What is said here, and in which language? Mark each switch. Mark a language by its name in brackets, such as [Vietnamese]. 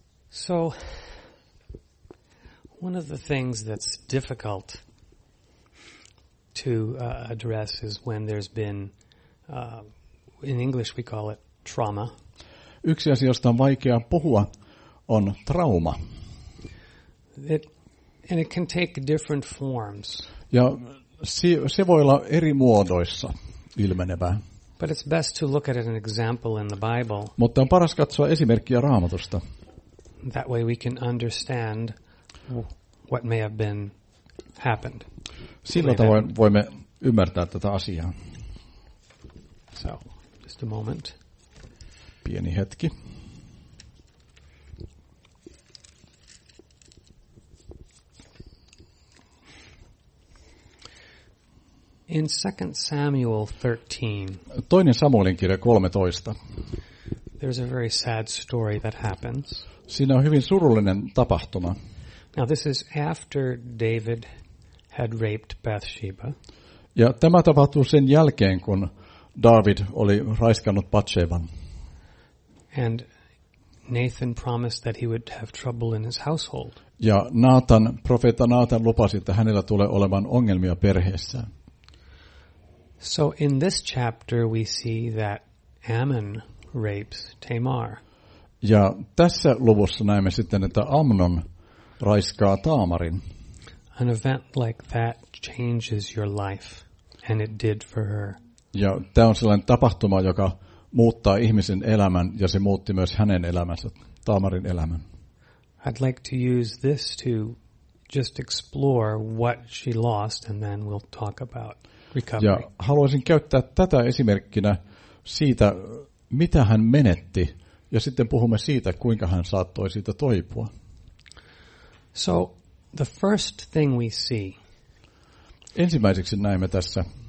[English] So, one of the things that's difficult to address is when there's been... In English we call it trauma. [Finnish] Yksi asia, josta on vaikea puhua, on trauma. [English] And it can take different forms. [Finnish] Ja se voi olla eri muodoissa ilmenevää. [English] But it's best to look at an example in the Bible. [Finnish] Mutta on paras katsoa esimerkkiä Raamatusta. [English] That way we can understand what may have been happened. [Finnish] Sillä tavoin voimme ymmärtää tätä asiaa. [English] So. A moment. [Finnish] Pieni hetki. [English] In 2 Samuel 13. [Finnish] Toinen Samuelin kirja 13. [English] There's a very sad story that happens. [Finnish] Siinä on hyvin surullinen tapahtuma. [English] Now this is after David had raped Bathsheba. [Finnish] Ja tämä tapahtuu sen jälkeen kun David oli raiskannut Bathsheban. [English] And Nathan promised that he would have trouble in his household. [Finnish] Ja Nathan, profeetta Nathan lupasi, että hänellä tulee olemaan ongelmia perheessä. [English] So in this chapter we see that Ammon rapes Tamar. [Finnish] Ja tässä luvussa näemme sitten, että Amnon raiskaa Taamarin. [English] An event like that changes your life, and it did for her. [Finnish] Ja tämä on sellainen tapahtuma, joka muuttaa ihmisen elämän, ja se muutti myös hänen elämänsä, Taamarin elämän. [English] I'd like to use this to just explore what she lost, and then we'll talk about recovery. [Finnish] Ja haluaisin käyttää tätä esimerkkinä siitä, mitä hän menetti, ja sitten puhumme siitä, kuinka hän saattoi siitä toipua. [English] So, the first thing we see, [Finnish] ensimmäiseksi näemme tässä,